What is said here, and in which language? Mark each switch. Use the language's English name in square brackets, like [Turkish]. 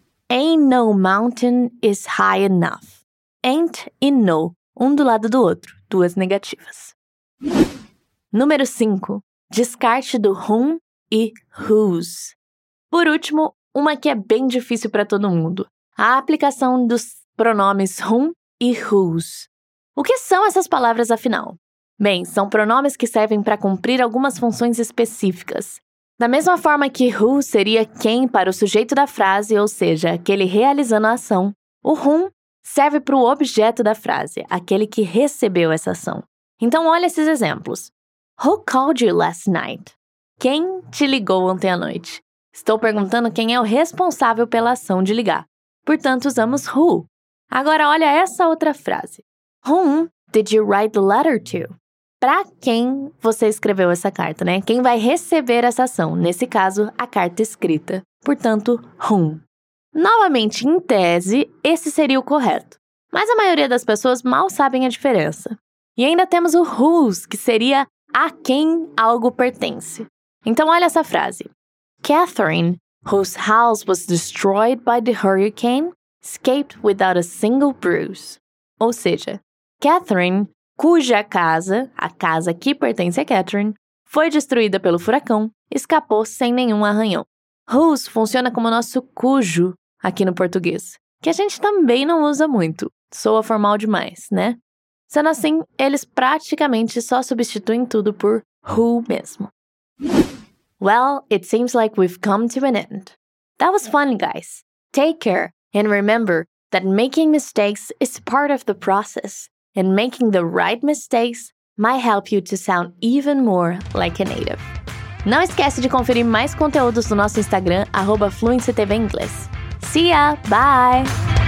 [English] Ain't no mountain is high enough. [Portuguese] Ain't e no, um do lado do outro, duas negativas. Número 5. Descarte do whom e whose. Por último, uma que é bem difícil para todo mundo. A aplicação dos pronomes whom e whose. O que são essas palavras, afinal? Bem, são pronomes que servem para cumprir algumas funções específicas. Da mesma forma que who seria quem para o sujeito da frase, ou seja, aquele realizando a ação, o whom serve para o objeto da frase, aquele que recebeu essa ação. Então, olha esses exemplos. [English] Who called you last night? [Portuguese] Quem te ligou ontem à noite? Estou perguntando quem é o responsável pela ação de ligar. Portanto, usamos who. Agora, olha essa outra frase. [English] Whom did you write the letter to? [Portuguese] Para quem você escreveu essa carta, né? Quem vai receber essa ação? Nesse caso, a carta escrita. Portanto, whom. Novamente, em tese, esse seria o correto. Mas a maioria das pessoas mal sabem a diferença. E ainda temos o whose, que seria a quem algo pertence. Então, olha essa frase. [English] Catherine, whose house was destroyed by the hurricane, escaped without a single bruise. [Portuguese] Ou seja, Catherine, cuja casa, a casa que pertence a Catherine, foi destruída pelo furacão, escapou sem nenhum arranhão. Whose funciona como nosso cujo aqui no português, que a gente também não usa muito. Soa formal demais, né? Sendo assim, eles praticamente só substituem tudo por who mesmo. [English] Well, it seems like we've come to an end. That was fun, guys. Take care and remember that making mistakes is part of the process. And making the right mistakes might help you to sound even more like a native. [Portuguese] Não esquece de conferir mais conteúdos no nosso Instagram, @fluencytvinglês. [English] See ya! Bye!